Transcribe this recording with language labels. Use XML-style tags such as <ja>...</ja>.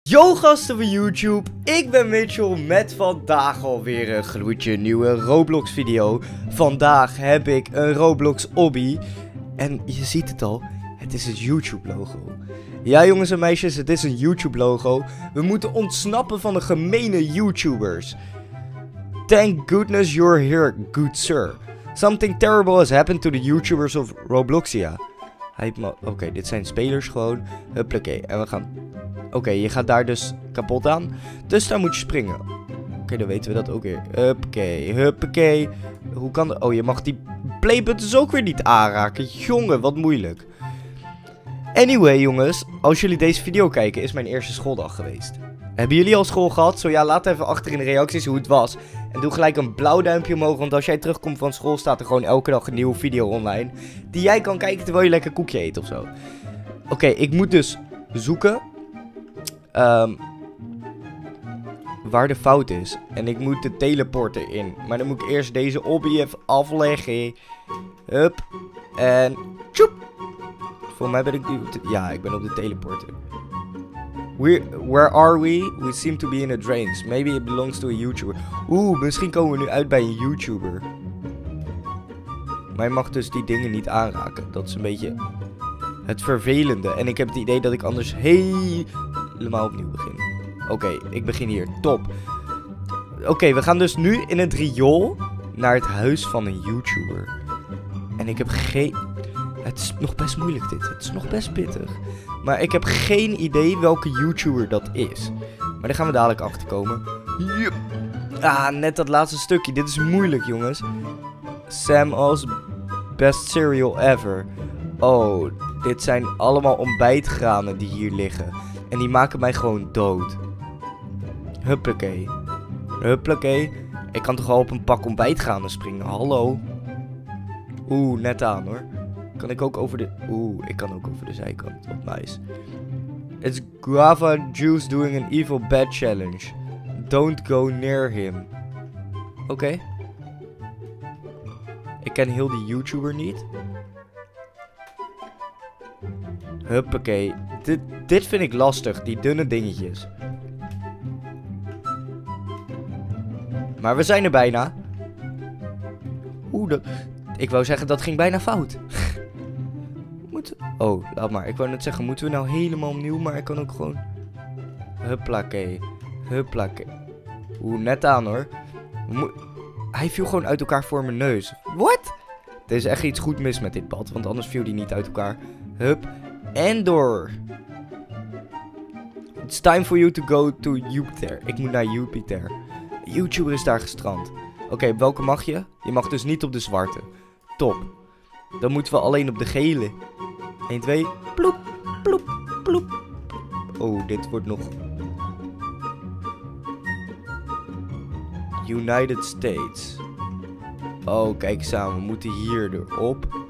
<nl>Yo gasten van YouTube, ik ben Mitchell met vandaag alweer een gloedje nieuwe Roblox video. Vandaag heb ik een Roblox obby en je ziet het al, het is het YouTube logo. Ja jongens en meisjes, het is een YouTube logo. We moeten ontsnappen van de gemene YouTubers.</nl> <en>Thank goodness you're here, good sir. Something terrible has happened to the YouTubers of Robloxia.</en> <nl>Oké, dit zijn spelers gewoon. Huppakee, en we gaan... Oké, je gaat daar dus kapot aan. Dus daar moet je springen. Oké, dan weten we dat ook weer. Huppakee. Hoe kan dat? Oh, je mag die playbuttons ook weer niet aanraken. Jongen, wat moeilijk. Anyway, jongens. Als jullie deze video kijken, is mijn eerste schooldag geweest. Hebben jullie al school gehad? Zo ja, laat even achter in de reacties hoe het was. En doe gelijk een blauw duimpje omhoog. Want als jij terugkomt van school, staat er gewoon elke dag een nieuwe video online. Die jij kan kijken terwijl je lekker koekje eet ofzo. Oké, ik moet dus zoeken. Waar de fout is. En ik moet de teleporter in. Maar dan moet ik eerst deze obby even afleggen. Hup. En tjoep. Volgens mij ben ik nu... Ja, ik ben op de teleporter.</nl> <en>Where are we? We seem to be in the drains. Maybe it belongs to a YouTuber.</en> <nl>Oeh, misschien komen we nu uit bij een YouTuber. Maar je mag dus die dingen niet aanraken. Dat is een beetje het vervelende. En ik heb het idee dat ik anders helemaal opnieuw begin. Oké, ik begin hier. Top. Oké, we gaan dus nu in het riool naar het huis van een YouTuber. En ik heb geen... Het is nog best moeilijk dit. Het is nog best pittig. Maar ik heb geen idee welke YouTuber dat is. Maar daar gaan we dadelijk achter komen. Yep. Ah, net dat laatste stukje. Dit is moeilijk, jongens. Sam als best cereal ever. Oh, dit zijn allemaal ontbijtgranen die hier liggen. En die maken mij gewoon dood. Huppakee. Ik kan toch al op een pak ontbijtgranen springen? Hallo. Oeh, net aan hoor. Kan ik ook over de... Oeh, ik kan ook over de zijkant. Oh, nice.</nl> <en>It's Guava Juice doing an evil bad challenge. Don't go near him. Oké.</en> <nl>Ik ken heel die YouTuber niet. Huppakee. Dit vind ik lastig, die dunne dingetjes. Maar we zijn er bijna. Oeh, ik wou zeggen dat ging bijna fout. Oh, laat maar. Ik wou net zeggen, moeten we nou helemaal opnieuw? Maar ik kan ook gewoon... Huppakee. Oeh, net aan hoor. Hij viel gewoon uit elkaar voor mijn neus. What? Er is echt iets goed mis met dit pad, want anders viel die niet uit elkaar. Hup. En door.</nl> <en>It's time for you to go to Jupiter.</en> <nl>Ik moet naar Jupiter. YouTuber is daar gestrand. Oké, welke mag je? Je mag dus niet op de zwarte. Top. Dan moeten we alleen op de gele. 1, 2, ploep, ploep, ploep. Oh, dit wordt nog... United States. Oh, kijk samen. We moeten hier erop.</nl>